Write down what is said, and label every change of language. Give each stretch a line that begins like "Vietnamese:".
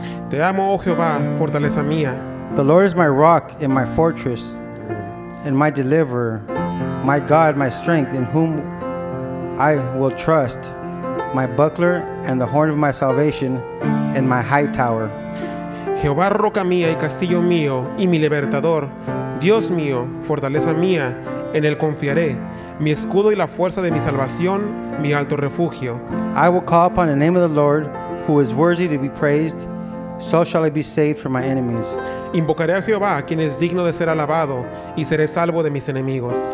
Spanish: Te amo, oh Jehová, fortaleza mía.
English: The Lord is my rock and my fortress and my deliverer, my God, my strength, in whom I will trust, my buckler and the horn of my salvation and my high tower.
Spanish: Jehová, roca mía y castillo mío y mi libertador, Dios mío, fortaleza mía, en él confiaré, mi escudo y la fuerza de mi salvación, mi alto refugio.
English: I will call upon the name of the Lord, who is worthy to be praised. So shall I be saved from my enemies.
Spanish: Invocaré a Jehová, quien es digno de ser alabado, y seré salvo de mis enemigos.